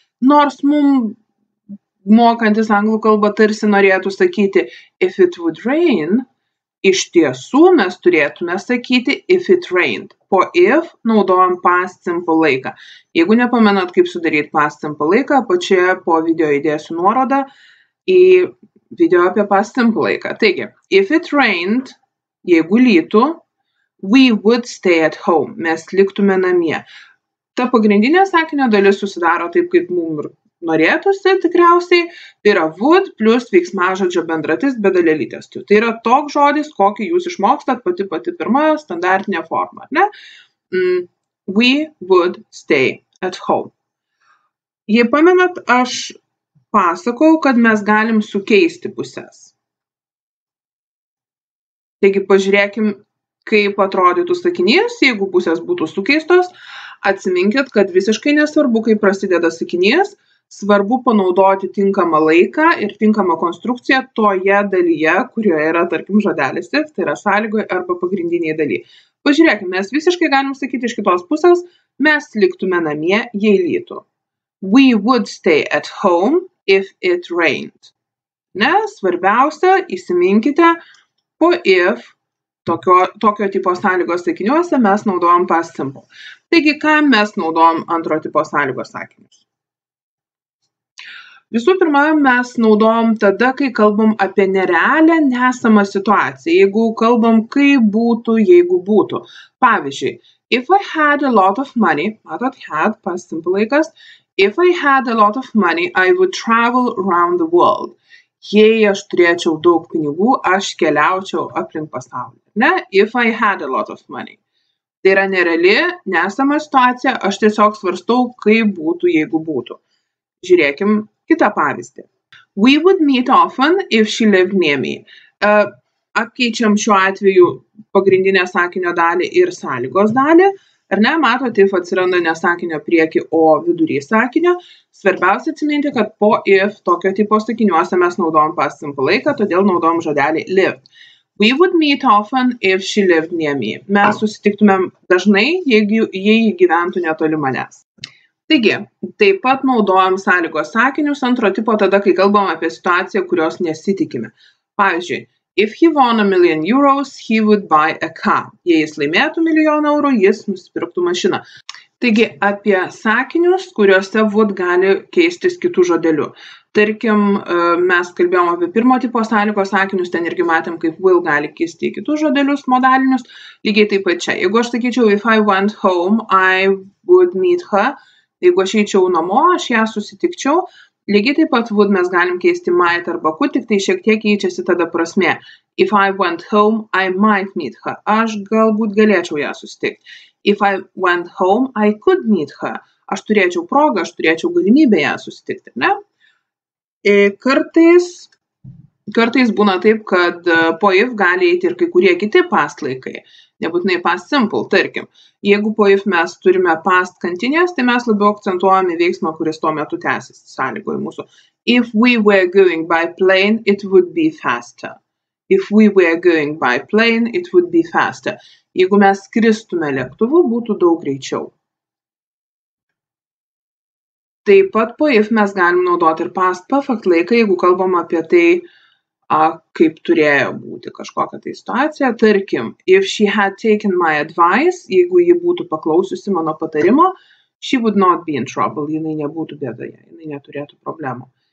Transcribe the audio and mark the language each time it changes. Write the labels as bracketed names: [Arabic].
[Lithuanian] Nors mum mokantis anglų kalbą tarsi norėtų sakyti [English] if it would rain, [Lithuanian] iš tiesų mes turėtume sakyti [English] if it rained. [Lithuanian] Po if naudojam past simple laiką. Jeigu nepamenat, kaip sudaryti past simple laiką, apačioje po video įdėsiu nuorodą į video apie past simple laiką. Taigi, [English] if it rained, [Lithuanian] jeigu lytų, [English] we would stay at home. [Lithuanian] Mes liktume namie. Ta pagrindinė sakinio dalis susidaro taip, kaip mums ir norėtųsi tikriausiai. Tai yra would plus veiksmažodžio bendratis be dalelytės. Tai yra toks žodis, kokį jūs išmokstat pati pirma standartinė forma. Ne? [English] We would stay at home. [Lithuanian] Jei pamenat, aš pasakau, kad mes galim sukeisti pusės. Taigi pažiūrėkim, kaip atrodytų sakinys, jeigu pusės būtų sukeistos, atsiminkit, kad visiškai nesvarbu, kaip prasideda sakinys, svarbu panaudoti tinkamą laiką ir tinkamą konstrukciją toje dalyje, kurioje yra, tarkim, žodelis if, tai yra sąlygoje arba pagrindiniai daly. Pažiūrėkime, mes visiškai galim sakyti iš kitos pusės, mes liktume namie, jei lytų. [English] We would stay at home if it rained. [Lithuanian] Ne, svarbiausia, įsiminkite, po if, tokio tipo sąlygos sakiniuose mes naudojam past simple. Taigi, ką mes naudojam antro tipo sąlygos sakinius? Visų pirma, mes naudojam tada, kai kalbam apie nerealią, nesamą situaciją. Jeigu kalbam, kaip būtų, jeigu būtų. Pavyzdžiui, [English] if I had a lot of money, [Lithuanian] matot, [English] had, past simple laikas, if I had a lot of money, I would travel around the world. [Lithuanian] Jei aš turėčiau daug pinigų, aš keliaučiau aplink pasaulį. Ne, [English] if I had a lot of money. [Lithuanian] Tai yra nereali, nesama situacija, aš tiesiog svarstau, kaip būtų, jeigu būtų. Žiūrėkim kitą pavyzdį. [English] We would meet often if she lived near me. [Lithuanian] Apkeičiam šiuo atveju pagrindinę sakinio dalį ir sąlygos dalį. Ar ne, matote, if atsiranda ne sakinio prieki, o vidury sakinio. Svarbiausia atsiminti, kad po if tokio tipo sakiniuose mes naudojam past simple laiką, todėl naudojam žodelį lived. [English] We would meet often if she lived near me. [Lithuanian] Mes susitiktumėm dažnai, jei gyventų netoli manęs. Taigi, taip pat naudojam sąlygos sakinius antro tipo tada, kai kalbam apie situaciją, kurios nesitikime. [English] Pavyzdžiui, if he won a million euros, he would buy a car. [Lithuanian] Jei jis laimėtų milijoną eurų, jis nusipirktų mašiną. Taigi, apie sakinius, kuriuose would gali keistis kitų žodelių. Tarkim, mes kalbėjom apie pirmo tipo sąlygos sakinius, ten irgi matėm, kaip will gali kisti į kitus žodelius modalinius. Lygiai taip pat čia. Jeigu aš sakyčiau, [English] if I went home, I would meet her. [Lithuanian] Jeigu aš eičiau namo, aš ją susitikčiau. Lygiai taip pat would mes galim keisti might arba could, tik tai šiek tiek keičiasi tada prasmė. [English] If I went home, I might meet her. [Lithuanian] Aš galbūt galėčiau ją susitikti. [English] If I went home, I could meet her. [Lithuanian] Aš turėčiau progą, aš turėčiau galimybę ją susitikti, ne? Kartais Kartais būna taip, kad po if gali eiti ir kai kurie kiti past laikai, nebūtinai past simple, tarkim. Jeigu po if mes turime past continuous, tai mes labiau akcentuojame veiksmą, kuris tuo metu tęsis sąlygoje mūsų. [English] If we were going by plane, it would be faster. If we were going by plane, it would be faster. [Lithuanian] Jeigu mes skristume lėktuvu, būtų daug greičiau. Taip pat po if mes galim naudoti ir past perfect laiką, jeigu kalbam apie tai, kaip turėjo būti kažkokia tai situacija. Tarkim, [English] if she had taken my advice, [Lithuanian] jeigu ji būtų paklausiusi mano patarimo, [English] she would not be in trouble, [Lithuanian] jinai nebūtų bėdoje, jinai neturėtų problemų.